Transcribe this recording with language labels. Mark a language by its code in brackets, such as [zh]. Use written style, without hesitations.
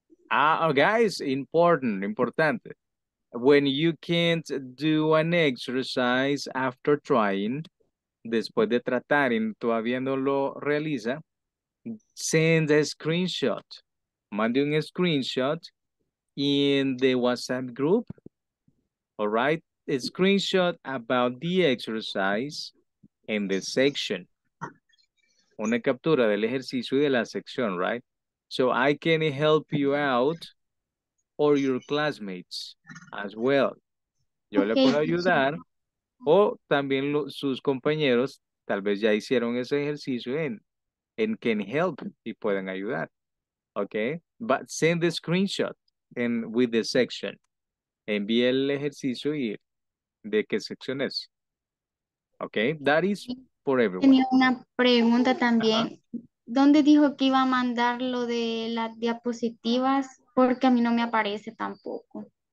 [en] Guys, [es] importante. [en] When you can't do an exercise after trying, [es] después de tratar y todavía no lo realiza, [en] send a screenshot. [es] Mande un [en] screenshot in the WhatsApp group. All right, a screenshot about the exercise in the section. [es] Una captura del ejercicio y de la sección, right? [en] So I can help you out or your classmates as well. Yo okay. [es] Le puedo ayudar o también sus compañeros tal vez ya hicieron ese ejercicio [en] and can help [es] y pueden ayudar. Okay? [en] But send the screenshot and with the section. [es] Envíe el ejercicio y de qué sección es. [en] Okay? That is for everyone. [es] Tenía una pregunta también. ¿Dónde dijo que iba a mandar lo de las diapositivas? Porque a mí no me aparece tampoco.